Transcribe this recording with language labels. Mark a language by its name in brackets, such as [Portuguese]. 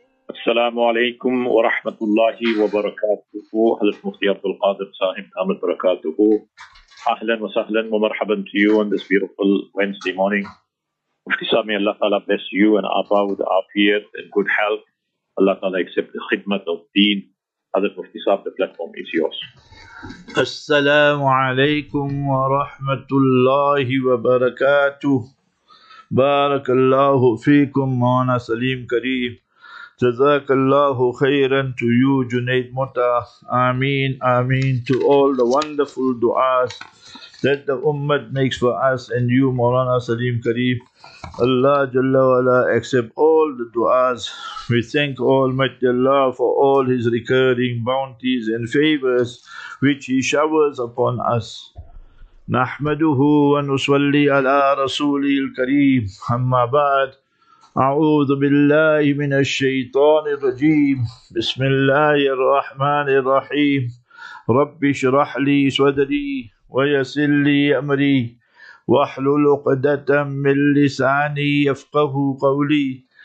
[Arabic] السلام عليكم ورحمة الله وبركاته. حضرت مفتي عبد القادر صاحب دام البركاته. أهلا وسهلا ومرحبا [English] to you on this beautiful Wednesday morning. [Arabic] مفتي سامي الله تعالى [English] bless you and Abba with our fear and good health. الله تعالى accept the خدمت of دين. [Arabic] حضرت مفتي صاحب [English] the platform is yours. [Arabic] السلام عليكم ورحمة الله وبركاته. بارك الله فيكم مولانا سليم كريم. جزاك الله خيرا [English] to you Junaid Mota. Ameen, ameen to all the wonderful du'as that the Ummah makes for us and you Mawlana Salim Kareem. Allah Jalla Wala accept all the du'as. We thank Almighty Allah for all His recurring bounties and favors which He showers upon us. [Arabic] نحمده ونصلي على رسوله الكريم. أما بعد, أعوذ بالله من الشيطان الرجيم. بسم الله الرحمن الرحيم. رب اشرح لي صدري ويسر لي أمري واحلل عقدة من لساني يفقه قولي.